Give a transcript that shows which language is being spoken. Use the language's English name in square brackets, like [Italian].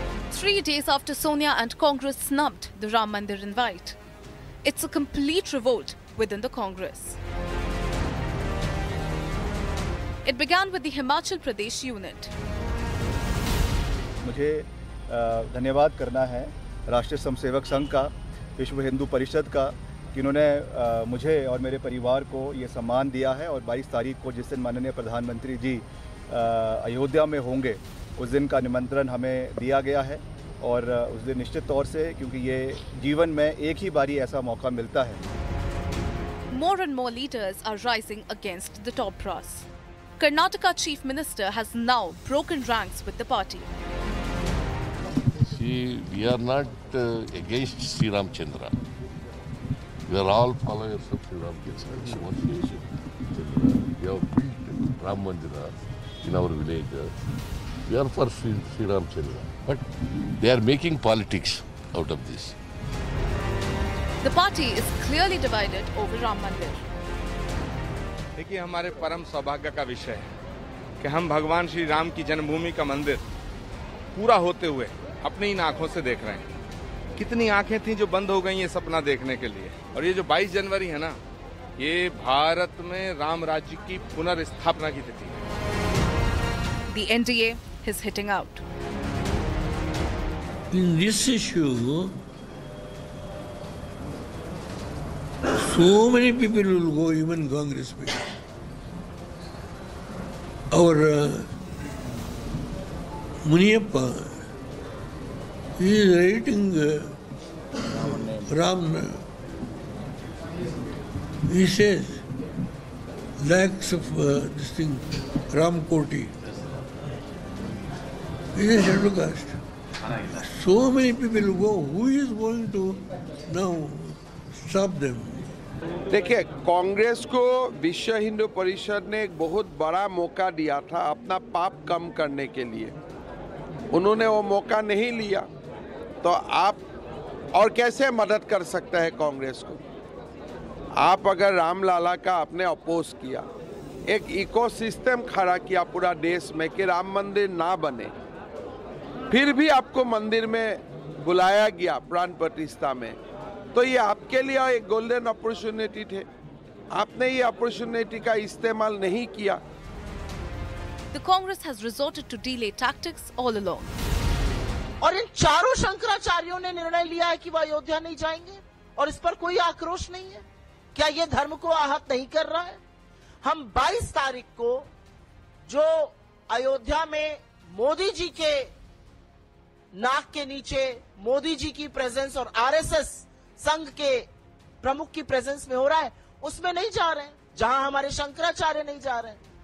[English] 3 days after Sonia and Congress snubbed the Ram Mandir invite, it's a complete revolt within the Congress. It began with the Himachal Pradesh unit. [Hindi] मुझे धन्यवाद करना है राष्ट्रीय स्वयंसेवक संघ का, विश्व हिंदू परिषद का, कि उन्होंने मुझे और मेरे परिवार को ये सम्मान दिया है और 22 तारीख को जिस दिन माननीय प्रधानमंत्री जी अयोध्या में होंगे उस दिन का निमंत्रण हमें दिया गया है और उस दिन निश्चित तौर से क्योंकि ये जीवन में एक ही बारी ऐसा मौका मिलता है. [English] More and more leaders are rising against the top brass. Karnataka chief minister has now broken ranks with the party. See, we are not against Sri Ramchandra. We are all followers of Sri Ramchandra. We have built Ram Mandira in our village. We are for Sri Ramchandra. But they are making politics out of this. The party is clearly divided over Ram Mandir. [Hindi] देखिए हमारे परम सौभाग्य का विषय है कि हम भगवान श्री राम की जन्मभूमि का मंदिर पूरा होते हुए अपनी इन आंखों से देख रहे हैं. कितनी आंखें थीं जो बंद हो गई ये सपना देखने के लिए. और ये जो 22 जनवरी है ना, ये भारत में राम राज्य की पुनर्स्थापना की तिथि है. [English] The NDA is hitting out. In this issue, so many people will go, even Congress people. Our Muniyappa, he is writing Ram. He says, lakhs of this thing, Ram Koti. He is a shadow caste. So many people will go. Who is going to now stop them? [Hindi] देखिए कांग्रेस को विश्व हिंदू परिषद ने एक बहुत बड़ा मौका दिया था अपना पाप कम करने के लिए. उन्होंने वो मौका नहीं लिया तो आप और कैसे मदद कर सकता है कांग्रेस को. आप अगर रामलाला का आपने अपोज किया, एक इकोसिस्टम खड़ा किया पूरा देश में कि राम मंदिर ना बने, फिर भी आपको मंदिर में बुलाया गया प्राण प्रतिष्ठा में, तो ये आपके लिए एक गोल्डन अपॉर्चुनिटी थे. आपने ये अपॉर्चुनिटी का इस्तेमाल नहीं किया. [English] The Congress has resorted to delay tactics all along. [Hindi] और इन चारों शंकराचार्यों ने निर्णय लिया है कि वह अयोध्या नहीं जाएंगे और इस पर कोई आक्रोश नहीं है. क्या ये धर्म को आहत नहीं कर रहा है? हम 22 तारीख को जो अयोध्या में मोदी जी के नाक के नीचे मोदी जी की प्रेजेंस और RSS संघ के प्रमुख की प्रेजेंस में हो रहा है उसमें नहीं जा रहे हैं, जहां हमारे शंकराचार्य नहीं जा रहे हैं.